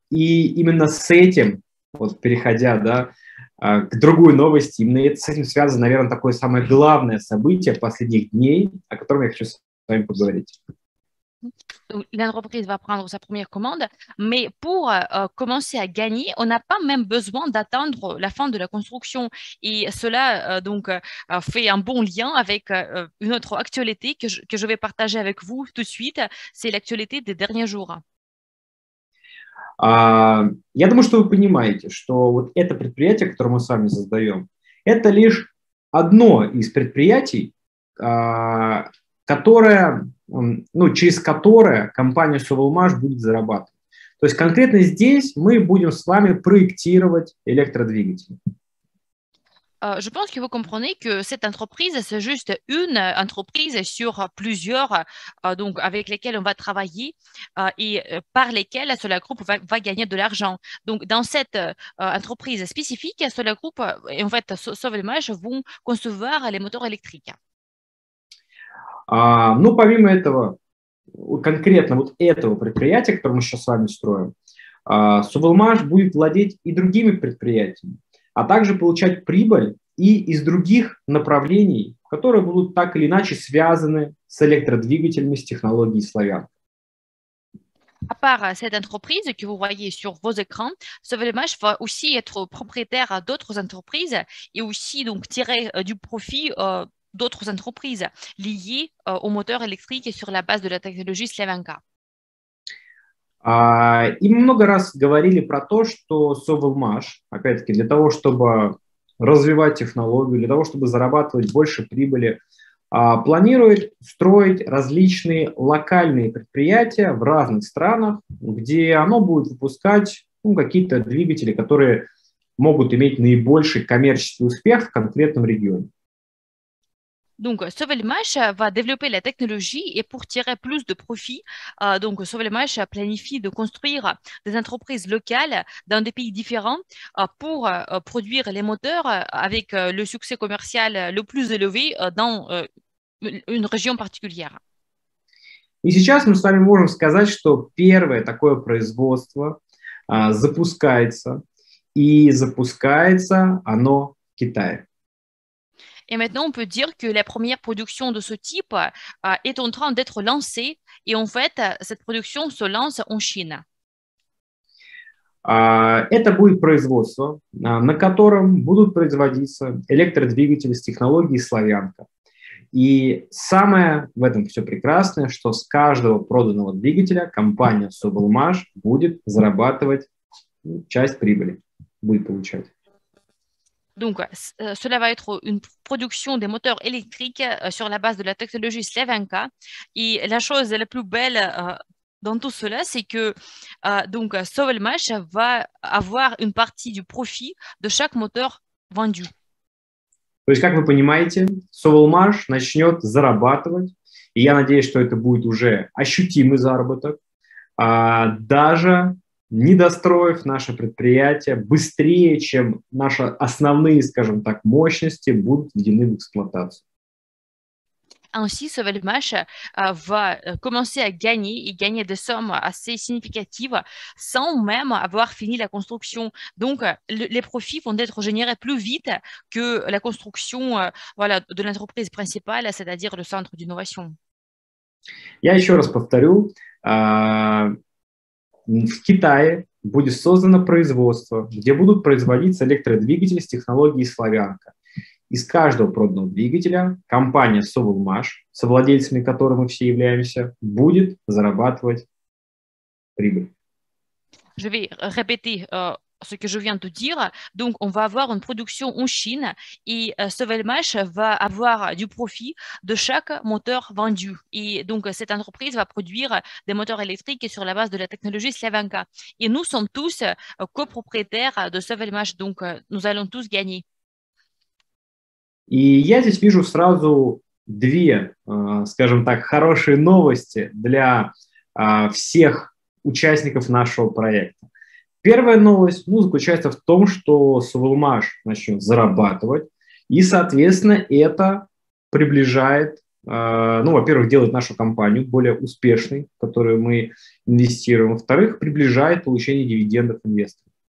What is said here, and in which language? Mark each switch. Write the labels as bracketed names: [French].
[Russian] И именно с этим, вот переходя, да, к другой новости, именно с этим связано, наверное, такое самое главное событие последних дней, о котором я хочу с вами поговорить. [French] L'entreprise va prendre sa première commande, mais pour commencer à gagner, on n'a pas même besoin d'attendre la fin de la construction. Et cela donc fait un bon lien avec une autre actualité que je vais partager avec vous tout de suite. C'est l'actualité des derniers jours. [Russian] Я думаю, что вы понимаете, что вот это предприятие, которое мы с вами создаем, это лишь одно из предприятий, которое, ну, через которое компания «Совалмаш» будет зарабатывать. То есть конкретно здесь мы будем с вами проектировать электродвигатели. [French] Je pense que vous comprenez que cette entreprise, c'est juste une entreprise sur plusieurs donc avec lesquelles on va travailler et par lesquelles Solar Group va gagner de l'argent. Donc, dans cette entreprise spécifique, Solar Group et en fait «Совалмаш» vont concevoir les moteurs électriques. [Russian] Ну, помимо этого, конкретно вот этого предприятия, которое мы сейчас с вами строим, «Совалмаш» будет владеть и другими предприятиями, а также получать прибыль и из других направлений, которые будут так или иначе связаны с электродвигателями, с технологией «Славян». [French] À part cette entreprise que vous voyez sur vos écrans, Sovelmash va aussi être propriétaire d'autres entreprises et aussi donc tirer du profit d'autres entreprises liées au moteur électrique sur la base de la technologie Slavenka. [Russian] И мы много раз говорили про то, что Совалмаш, опять-таки, для того, чтобы развивать технологию, для того, чтобы зарабатывать больше прибыли, планирует строить различные локальные предприятия в разных странах, где оно будет выпускать, ну, какие-то двигатели, которые могут иметь наибольший коммерческий успех в конкретном регионе. [French] Donc, Sauvelmash va développer la technologie et pour tirer plus de profit, donc Sauvelmash planifie de construire des entreprises locales dans des pays différents pour produire les moteurs avec le succès commercial le plus élevé dans une région particulière. [Russian] И сейчас мы с вами можем сказать, что первое такое производство запускается, и запускается оно в Китае. [French] Et maintenant, on peut dire que la première production de ce type est en train d'être lancée. Et en fait, cette production se lance en Chine. [Russian] Это будет производство, на котором будут производиться электродвигатели с технологией «Славянка». И самое в этом все прекрасное, что с каждого проданного двигателя компания «Sovelmash» будет зарабатывать часть прибыли, будет получать. [French] Donc, cela va être une production des moteurs électriques sur la base de la technologie Slavenka. Et la chose la plus belle dans tout cela, c'est que donc Sovelmash va avoir une partie du profit de chaque moteur vendu. [Russian] То есть, как вы понимаете, Sovelmash начнет зарабатывать, и я надеюсь, что это будет уже ощутимый заработок, даже не достроив наше предприятие быстрее, чем наши основные, скажем так, мощности будут введены в эксплуатацию. [French] Ainsi, Sovelmash va commencer à gagner et gagner des sommes assez significatives sans même avoir fini la construction. Donc, les profits vont être générés plus vite que la construction voilà, de l'entreprise principale, c'est-à-dire le centre d'innovation. [Russian] Я еще раз повторю, в Китае будет создано производство, где будут производиться электродвигатели с технологией «Славянка». Из каждого проданного двигателя компания «Sovelmash», совладельцами которой мы все являемся, будет зарабатывать прибыль. [French] Je vais répéter ce que je viens de dire. Donc, on va avoir une production en Chine et Sovelmash va avoir du profit de chaque moteur vendu. Et donc, cette entreprise va produire des moteurs électriques sur la base de la technologie Slavenka. Et nous sommes tous copropriétaires de Sovelmash, donc nous allons tous gagner. [Russian] И я здесь вижу сразу две, скажем так, хорошие новости для всех участников нашего проекта. Первая новость, ну, заключается в том, что Sovelmash начнет зарабатывать, и, соответственно, это приближает, ну, во-первых, делает нашу компанию более успешной, в которую мы инвестируем, во-вторых, приближает получение дивидендов инвесторов.